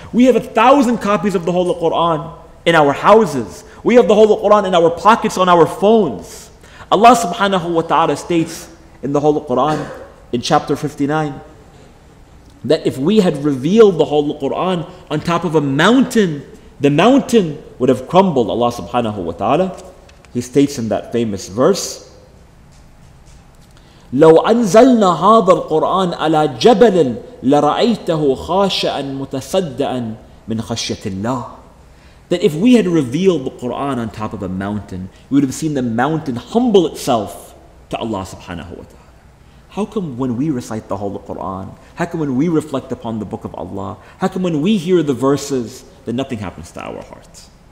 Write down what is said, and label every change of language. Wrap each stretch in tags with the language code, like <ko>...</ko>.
<en>We have 1,000 copies of the whole Quran in our houses. We have the whole Quran in our pockets, on our phones. Allah subhanahu wa ta'ala states in the whole Quran in chapter 59, that if we had revealed the whole Quran on top of a mountain, the mountain would have crumbled. Allah subhanahu wa ta'ala, he states in that famous verse,</en> <ar>لو أنزلنا هذا القرآن على جبل لرأيته خاشعا متصدعا من خشية الله.</ar> <en>that if we had revealed the Qur'an on top of a mountain, we would have seen the mountain humble itself to Allah subhanahu wa ta'ala. How come when we recite the whole Qur'an, how come when we reflect upon the book of Allah, how come when we hear the verses, that nothing happens to our hearts?</en>